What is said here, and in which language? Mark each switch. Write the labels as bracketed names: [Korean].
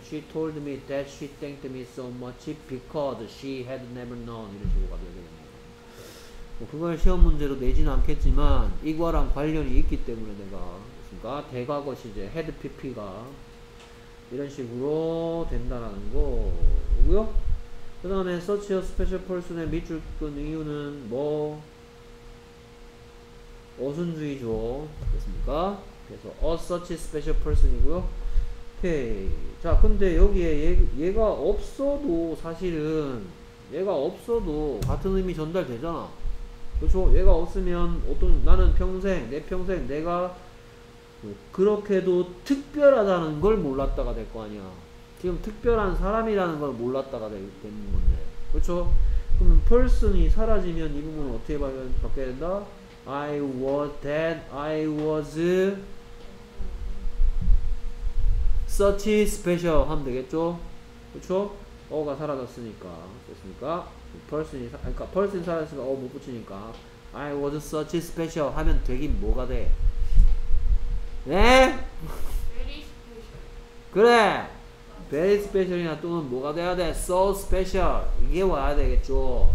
[English] She told me that she thanked me so much because she had never known [Korean] 이런 식으로 가도 되겠네요. 뭐 그걸 시험 문제로 내지는 않겠지만 이거랑 관련이 있기 때문에 내가 그러니까 대과거 시제 had pp가 이런 식으로 된다라는 거고요. 그 다음에 such a special person의 밑줄 끈 이유는 뭐 어순주의죠. 됐습니까? 그래서 a such special person이고요. 오케이. 자 근데 여기에 얘가 없어도 사실은 얘가 없어도 같은 의미 전달되잖아. 그렇죠? 얘가 없으면 어떤 나는 평생 내 평생 내가 뭐 그렇게도 특별하다는 걸 몰랐다가 될 거 아니야. 지금 특별한 사람이라는 걸 몰랐다가 되는 건데. 그렇죠? 그러면 person이 사라지면 이 부분은 어떻게 바뀌어야 된다? [English] I was that I was such special [Korean] 하면 되겠죠? 그렇죠? 어가 사라졌으니까 됐습니까? person이 그러니까 person이 사라졌으니까 어 못 붙이니까 [English] I was such special [Korean] 하면 되긴 뭐가 돼? 네? [English] Very special. [Korean] 그래. Very special이나 또는 뭐가 돼야 돼? So special 이게 와야 되겠죠?